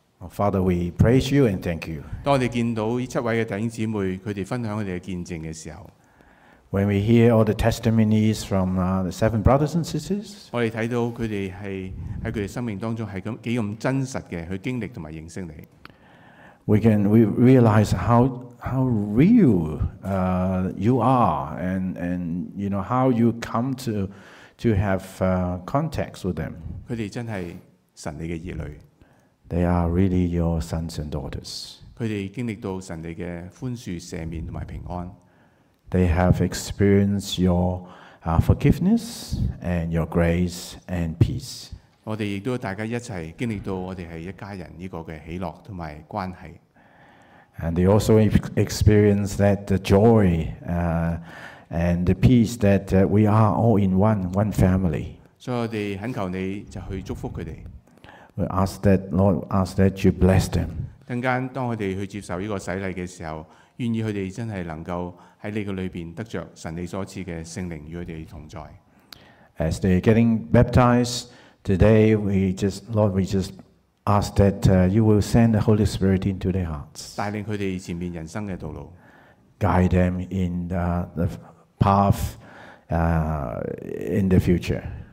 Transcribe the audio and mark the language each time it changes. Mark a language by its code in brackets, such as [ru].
[en] Father, we praise you and thank you. [yue] 當我哋見到呢七位嘅弟兄姊妹，佢哋分享佢哋嘅見證嘅時候 [en] ，When we hear all the testimonies from the seven brothers and sisters, [yue] 我哋睇到佢哋係喺佢哋生命當中係咁幾咁真實嘅去經歷同埋認識你。 [en] We realize how real you are, and you know how you come to have contact with them. [yue] 佢哋真係神你嘅兒女。 [en] They are really your sons and daughters. [yue] 佢哋經歷到神你嘅寬恕、赦免同埋平安。 [en] They have experienced your forgiveness and your grace and peace. [yue] 我哋亦都大家一齊經歷到我哋係一家人呢個嘅喜樂同埋關係。 [en] And they also experience that the joy and the peace that we are all in one family. So we ask that, Lord, ask that you bless them. [yue] 等間當我哋去接受呢個洗禮嘅時候，願意佢哋真係能夠喺你嘅裏邊得著神你所賜嘅聖靈與佢哋同在。 [en] As they getting baptized today, we just ask that you will send the Holy Spirit into their hearts. [yue] 帶領佢哋前面人生嘅道路。 [en] Guide them in the path in the future.